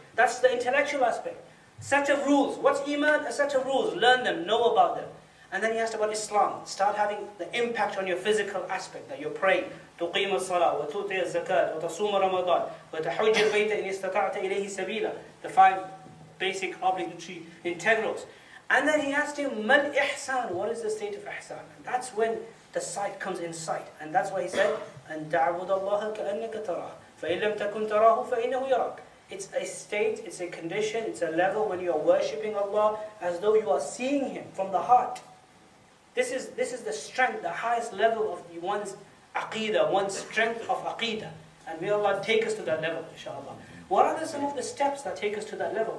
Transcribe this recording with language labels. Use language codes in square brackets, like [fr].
[en] That's the intellectual aspect. Set of rules. What's iman? A set of rules. Learn them. Know about them. And then he asked about Islam. Start having the impact on your physical aspect, that you're praying. [ar] تقيم الصلاة وتؤتي الزكاة وتصوم رمضان وتحج البيت إن استطعت إليه سبيلا. [en] The five basic obligatory integrals. And then he asked him, [ar] ما الإحسان? [en] What is the state of إحسان? And that's when the sight comes in sight. And that's why he said, [ar] أن تعبد الله كأنك تراه فإن لم تكن تراه فإنه يراك. [en] It's a state, it's a condition, it's a level when you are worshipping Allah as though you are seeing Him from the heart. This is the strength, the highest level of one's aqeedah, one's strength of aqeedah. And may Allah take us to that level, inshaAllah. What are some of the steps that take us to that level?